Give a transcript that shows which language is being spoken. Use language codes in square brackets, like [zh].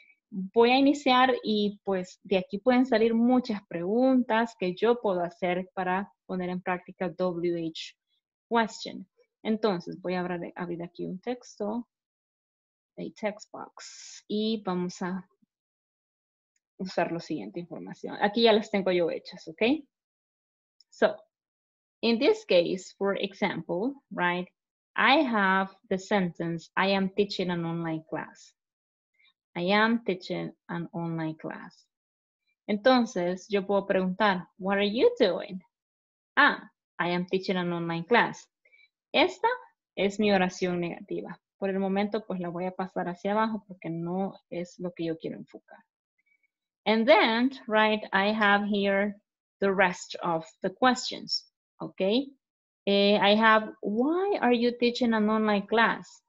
[es] Voy a iniciar y pues de aquí pueden salir muchas preguntas que yo puedo hacer para poner en práctica WH. Question. Entonces, voy a abrir aquí un texto, [en] a text box, [es] y vamos a usar la siguiente información. Aquí ya las tengo yo hechas, ¿ok? [en] So, in this case, for example, right, I have the sentence, I am teaching an online class. I am teaching an online class. [es] Entonces, yo puedo preguntar, [en] what are you doing? Ah, I am teaching an online class. [es] Esta es mi oración negativa. Por el momento, pues la voy a pasar hacia abajo porque no es lo que yo quiero enfocar. [en] And then, right, I have here the rest of the questions, okay? I have, why are you teaching an online class?